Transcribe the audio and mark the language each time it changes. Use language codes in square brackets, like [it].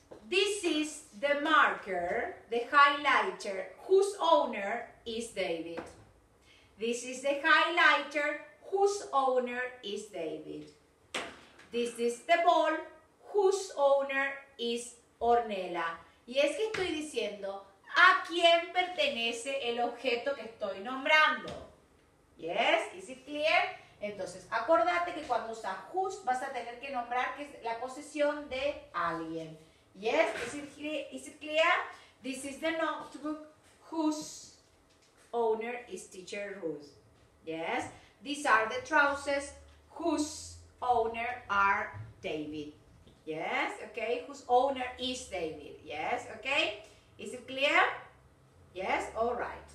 [en] This is the marker, the highlighter, whose owner is David. This is the highlighter whose owner is David. This is the ball whose owner is Ornella. [es] Y es que estoy diciendo, ¿a quién pertenece el objeto que estoy nombrando? [en] Yes, is it clear? [es] Entonces, acordate que cuando usas whose, vas a tener que nombrar que es la posesión de alguien. [en] Yes, is it clear? This is the notebook whose owner is Teacher Ruth. Yes, these are the trousers whose owner are David. Yes, okay, whose owner is David. Yes, okay, is it clear? Yes, all right.